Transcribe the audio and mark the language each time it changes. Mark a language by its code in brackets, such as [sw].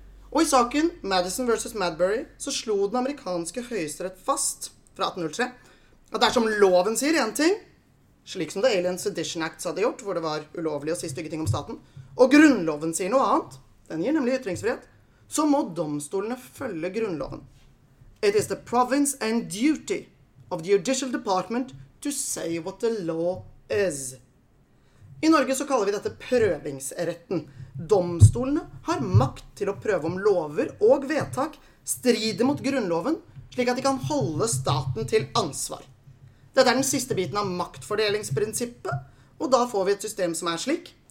[no] Og I saken Madison vs. Madbury så slo den amerikanske høyesterett fast fra 1803 at dersom loven sier en ting, slik som The Alien Sedition Acts hadde gjort, hvor det var ulovlig å si stygge ting om staten, og grunnloven sier noe annet, den gir nemlig ytringsfrihet, så må domstolene følge grunnloven. [en] It is the province and duty of the judicial department to say what the law is. [no] I Norge så kaller vi dette prøvingsretten. Domstolene har makt til å prøve om lover og vedtak strider mot grunnloven slik at de kan holde staten til ansvar. Dette den siste biten av maktfordelingsprinsippet, og da får vi et system som slik.